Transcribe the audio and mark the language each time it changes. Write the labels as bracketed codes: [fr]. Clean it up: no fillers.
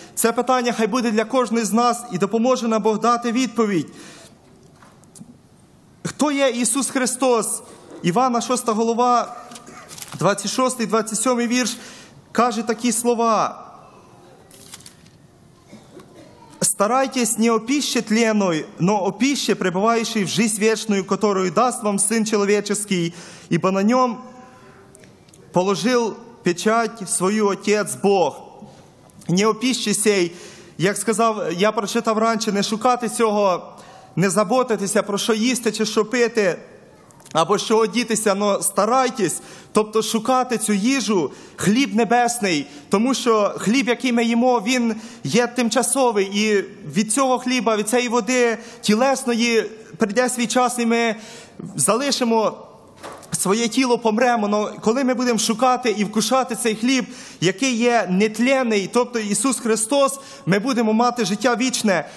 [uk] Це питання хай буде для кожного з нас і допоможе нам Бог дати відповідь. Хто є Ісус Христос? Івана 6 голова, 26-27 вірш, каже такі слова. [ru] Старайтесь не о пищу тленную, но о пищу, пребывающую в жизнь вечную, которую даст вам Сын Человеческий, ибо на нем положил печать свою Отец Бог. Не о пищу сей, [uk] як сказав, я прочитав раніше, не шукати цього, не заботитися про що їсти чи що пити, Або що одітися, но старайтесь, тобто шукати цю їжу, хліб небесний, тому що хліб, який ми їмо, він є тимчасовий, і від цього хліба, від цієї води тілесної прийде свій час, і ми залишимо своє тіло, помремо, но коли ми будемо шукати і вкушати цей хліб, який є нетленний, тобто Ісус Христос, ми будемо мати життя вічне.